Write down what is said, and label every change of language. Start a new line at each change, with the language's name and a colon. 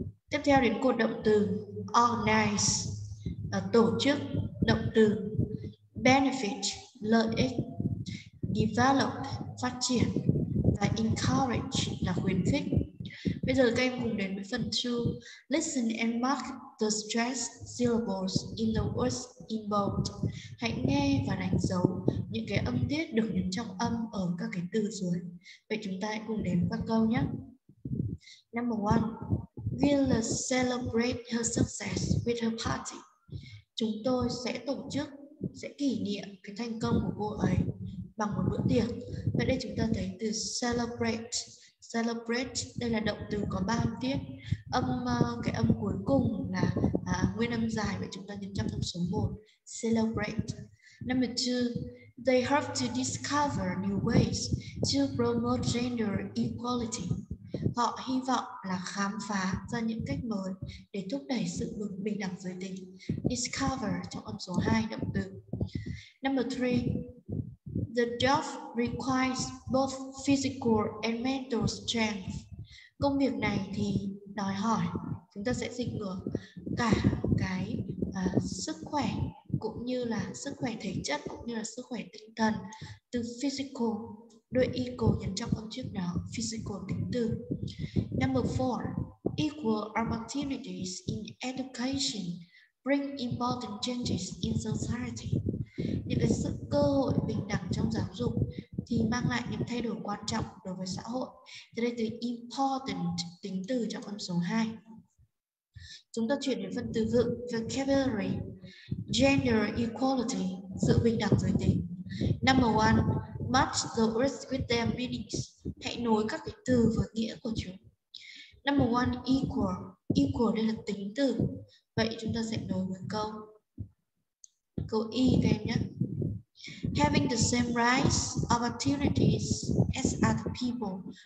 Vietnamese: Tiếp theo đến cột động từ organize, là tổ chức, động từ. Benefit, lợi ích. Develop, phát triển. Và encourage, là khuyến khích. Bây giờ các em cùng đến với phần 2.
English: Listen and mark the stressed syllables in the words in bold.
Vietnamese: Hãy nghe và đánh dấu những cái âm tiết được nhấn trọng âm ở các cái từ dưới. Vậy chúng ta hãy cùng đến các câu nhé.
English: Number 1. We'll celebrate her success with her party.
Vietnamese: Chúng tôi sẽ tổ chức, sẽ kỷ niệm cái thành công của cô ấy bằng một bữa tiệc. Vậy đây chúng ta thấy từ celebrate. Celebrate, đây là động từ có ba âm tiết. Âm cuối cùng là nguyên âm dài, vậy chúng ta nhấn trọng âm số 1, celebrate.
English: Number 2, they have to discover new ways to promote gender equality.
Vietnamese: Họ hy vọng là khám phá ra những cách mới để thúc đẩy sự bình đẳng giới tính. Discover, trong âm số 2, động từ.
English: Number 3, the job requires both physical and mental strength.
Vietnamese: Công việc này thì đòi hỏi, chúng ta sẽ dịch ngược, cả cái sức khỏe cũng như là sức khỏe thể chất cũng như là sức khỏe tinh thần. Từ physical, đôi equal nhấn trọng âm trước đó, physical tính từ.
English: Number 4, equal opportunities in education bring important changes in society.
Vietnamese: Những cái sự cơ hội bình đẳng trong giáo dục thì mang lại những thay đổi quan trọng đối với xã hội. Thế đây từ important, tính từ trong âm số 2. Chúng ta chuyển đến phần từ vựng, vocabulary.
English: Gender equality,
Vietnamese: sự bình đẳng giới tính.
English: Number 1, match the words with their meanings.
Vietnamese: Hãy nối các cái từ với nghĩa của chúng.
English: Number 1, equal.
Vietnamese: Equal đây là tính từ. Vậy chúng ta sẽ nối với câu. Câu Y các em nhé.
English: Having the same rights, opportunities as other people.